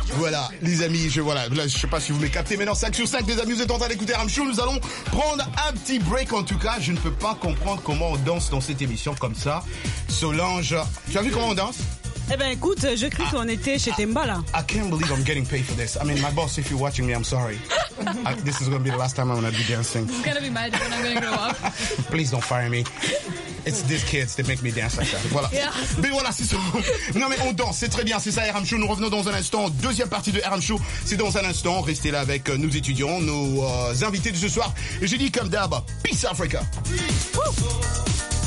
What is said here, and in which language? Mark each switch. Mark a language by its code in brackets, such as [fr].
[fr] Voilà, les amis, je ne sais pas si vous m'avez capté, mais dans 5 sur 5, les amis, vous êtes en train d'écouter RM Show. Nous allons prendre un petit break. En tout cas, je ne peux pas comprendre comment on danse dans cette émission comme ça. Solange, tu as vu comment on danse? Eh ben écoute, je crie qu'on était chez Temba là. [en] I can't believe I'm getting paid for this. I mean, my boss, if you're watching me, I'm sorry. This is going to be the last time I'm going to be dancing. He's going to be mad when I'm going to grow up. Please don't fire me. It's these kids that make me dance like that. [fr] Voilà. [en] Yeah. [fr] Mais voilà, c'est ça. Non mais on danse, c'est très bien, c'est ça RM Show. Nous revenons dans un instant. Deuxième partie de RM Show, c'est dans un instant. Restez là avec nos étudiants, nos invités de ce soir. Et je dis comme d'hab, [en] Peace Africa. Peace.